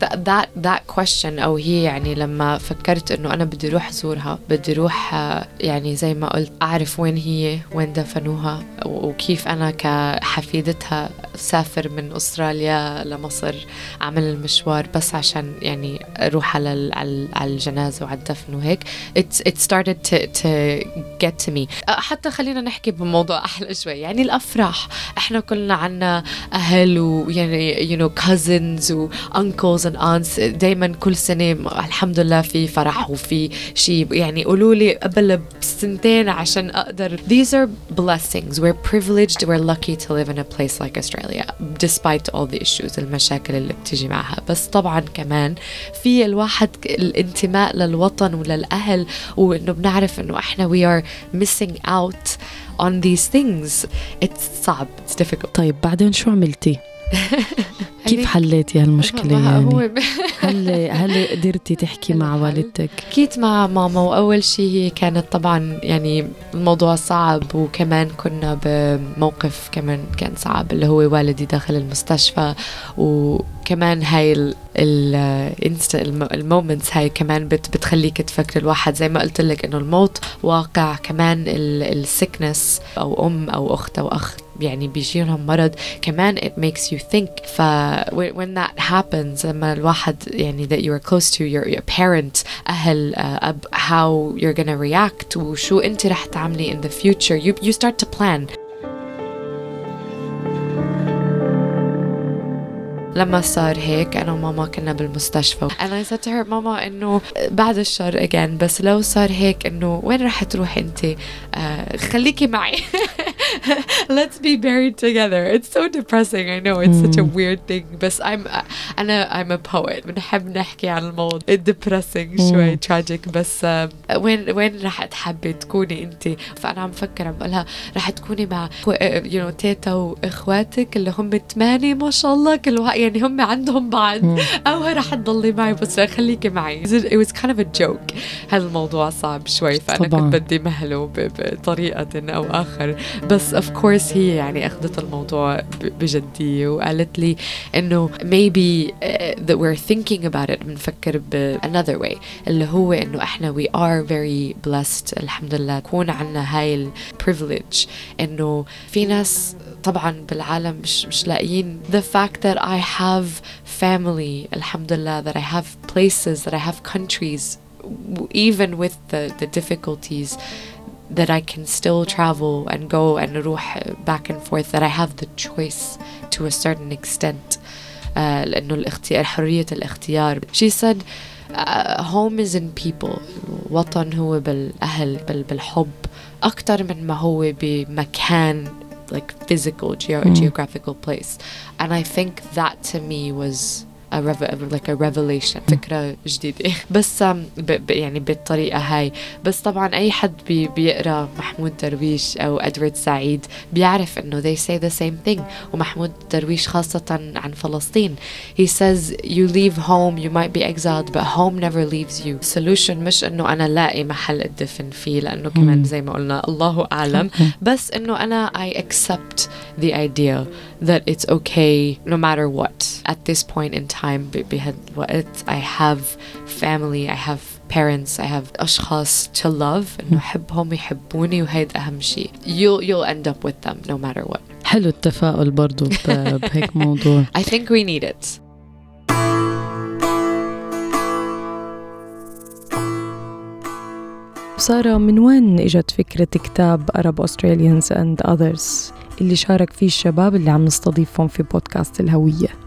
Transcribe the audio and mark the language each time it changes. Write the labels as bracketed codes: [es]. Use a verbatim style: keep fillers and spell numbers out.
[en] that that that question [ar] أو هي يعني لما فكرت إنه أنا بدي روح زورها، بدي روح يعني زي ما قلت أعرف وين هي، وين دفنوها، وكيف أنا كحفيدتها سافر من أستراليا لمصر، أعمل المشوار بس عشان يعني أروح على على الجنازة وعلى الدفن وهيك. [en] it it started to to get to me. [ar] حتى خلينا نحكي بموضوع أحلى شوي، يعني الأفراح. احنا كلنا عنا اهل ويعني [en] you know cousins [ar] و [en] uncles and aunts، [ar] دايما كل سنة الحمد لله في فرح وفي شيء. يعني قولوا لي قبل بسنتين عشان اقدر. [en] These are blessings, we're privileged, we're lucky to live in a place like Australia despite all the issues، [ar] المشاكل اللي بتجي معها. بس طبعا كمان في الواحد الانتماء للوطن وللأهل، وانه بنعرف انه احنا [en] we are missing out on these things. It's [ar] صعب. [en] It's difficult. [ar] طيب بعدين شو عملتي؟ كيف حليتي هالمشكلة؟ يعني هل هل قدرتي تحكي مع والدتك؟ حكيت مع ماما، وأول شيء هي كانت طبعا يعني الموضوع صعب، وكمان كنا بموقف كمان كان صعب اللي هو والدي داخل المستشفى، وكمان هاي ال المومنتس هاي كمان بتخليك تفكر. الواحد زي ما قلت لك إنه الموت واقع، كمان السكنس أو أم أو أخت أو أخ يعني بيجيلهم مرض كمان [en] it makes you think. ف when that happens [ar] لما الواحد يعني [en] that you are close to your, your parent أهل uh, أب how you're gonna react [ar] وشو أنت رح تعملي [en] in the future, you, you start to plan. [ar] لما صار هيك أنا وماما كنا بالمستشفى [en] and I said to her [ar] ماما إنه بعد الشر again بس لو صار هيك إنه وين رح تروح أنت؟ آه خليكي معي. [en] Let's be buried together. It's so depressing. I know it's such a weird thing. But I'm, أنا I'm a poet. [ar] بنحب نحكي عن الموضوع. [en] It's depressing شوي tragic. [ar] بس وين وين رح تحبي تكوني أنت؟ فأنا عم فكر عم بقولها رح تكوني مع [en] you know [ar] تيتا وإخواتك اللي هم ثمانية ما شاء الله كل واحد يعني هم عندهم بعض. أو رح تضلي معي بس خليكي معي. [en] It was kind of a joke. [ar] هذا الموضوع صعب شوي فأنا كنت بدي مهله بطريقة أو آخر. بس [en] of course [ar] هي يعني أخذت الموضوع بجدية وقالت لي إنه [en] maybe that we're thinking about it [ar] بنفكر ب [en] another way [ar] اللي هو إنه إحنا [en] we are very blessed [ar] الحمد لله يكون عنا هاي ال privilege إنه في ناس طبعا بالعالم مش مش لاقيين [en] the fact that I have family الحمد لله that I have places that I have countries even with the the difficulties that I can still travel and go and روح back and forth, that I have the choice to a certain extent uh, [ar] لأنه الاختيار حرية الاختيار. [en] She said uh, home is in people. [ar] الوطن هو بالأهل بال, بالحب أكتر من ما هو بمكان [en] like physical geo- [ar] mm. [en] geographical place. And I think that to me was a rev- like a revelation [ar] فكرة جديدة بس ب- يعني بالطريقة هاي. بس طبعا أي حد بي- بيقرأ محمود درويش أو أدوارد سعيد بيعرف إنه [en] they say the same thing. [ar] ومحمود درويش خاصة عن فلسطين [en] he says you leave home you might be exiled but home never leaves you. solution [ar] مش إنه أنا لاقي محل أدفن فيه لأنه كمان زي ما قلنا الله أعلم, بس [en] إنه أنا I accept the idea that it's okay no matter what at this point in time بهالوقت I have family, I have parents, I have أشخاص to love [ar] إنه أحبهم يحبوني وهيدا أهم شيء. [en] you'll you'll end up with them no matter what. [ar] حلو التفاؤل برضو بهيك موضوع. [en] I think we need it. [ar] سارة من وين إجت فكرة كتاب [en] Arab Australians and Others [ar] اللي شارك فيه الشباب اللي عم نستضيفهم في بودكاست الهوية؟